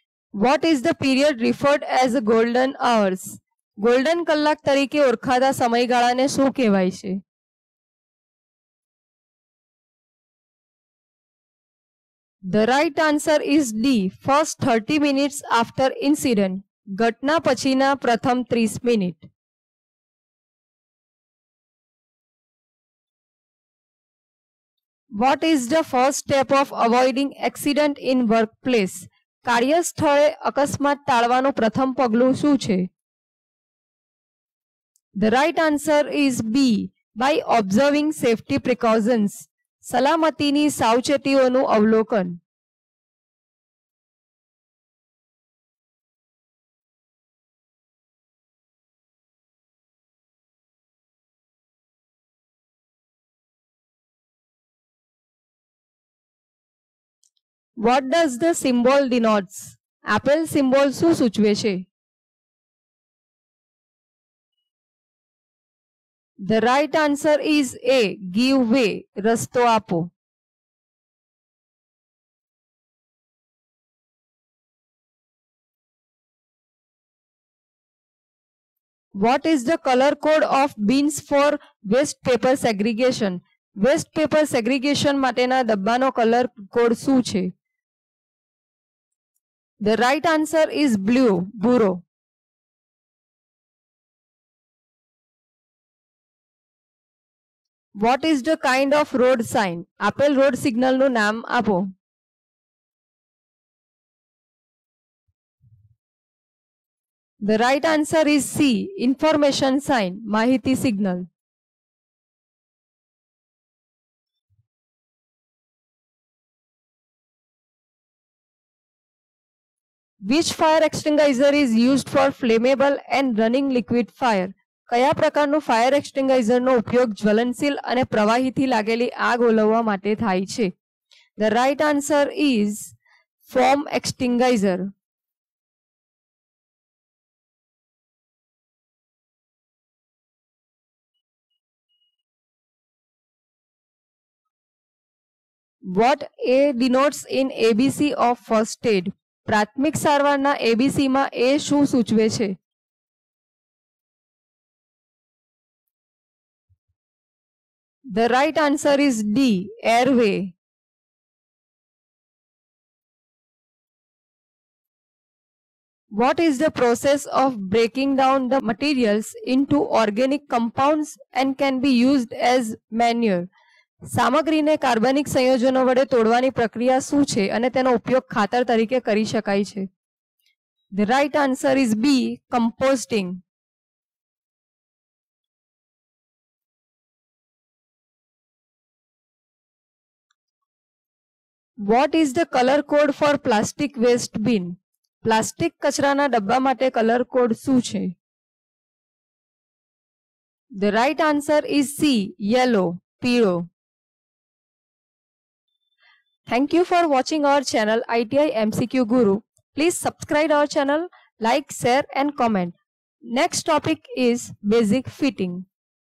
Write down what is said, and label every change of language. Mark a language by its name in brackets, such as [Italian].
[English] What is the period referred as golden hours? [Gujarati] Golden કલાક તરીકે ઓળખાતા સમયગાળાને શું કહેવાય છે? [English] The right answer is D. First 30 minutes after incident. [Gujarati] ઘટના પછીના પ્રથમ 30 minute. [English] What is the first step of avoiding accident in workplace? [Gujarati] કાર્યસ્થળે અકસ્માત ટાળવાનું પ્રથમ પગલું શું છે? [English] The right answer is B. By observing safety precautions. [Gujarati] સલામતીની સાવચેતીઓનું અવલોકન. [English] What does the symbol denotes? Apple symbol [Gujarati] શું સૂચવે છે? [English] The right answer is A. Give way. [Gujarati] રસ્તો આપો. [English] What is the color code of bins for waste paper segregation? Waste paper segregation [Gujarati] માટેના ડબ્બાનો [English] color code શું છે? The right answer is blue, bureau. What is the kind of road sign? [Gujarati] Apel road signal no naam apo. [English] The right answer is C, information sign, mahiti signal. Which fire extinguisher is used for flammable and running liquid fire? [Gujarati] કયા પ્રકારનું fire એક્સ્ટિંગાઇઝરનો ઉપયોગ જ્વલનશીલ અને પ્રવાહીથી લાગેલી આગ ઓલવવા માટે થાય છે? [English] The right answer is foam extinguisher. What A denotes in ABC of first aid? [Gujarati] પ્રાથમિક સારવારના એબીસીમાં એ શું સૂચવે છે? [English] The right answer is D, airway. What is the process of breaking down the materials into organic compounds and can be used as manure? [Gujarati] સામગ્રીને કાર્બનિક સંયોજનો વડે તોડવાની પ્રક્રિયા શું છે અને તેનો ઉપયોગ ખાતર તરીકે કરી શકાય છે? [English] The right answer is B, composting. What is the color code for plastic waste bin? [Gujarati] Plastic કચરાના ડબ્બા માટે કલર કોડ શું છે? [English] The right answer is C, yellow, પીળો. Thank you for watching our channel ITI MCQ Guru. Please subscribe our channel, like, share and comment. Next topic is basic fitting.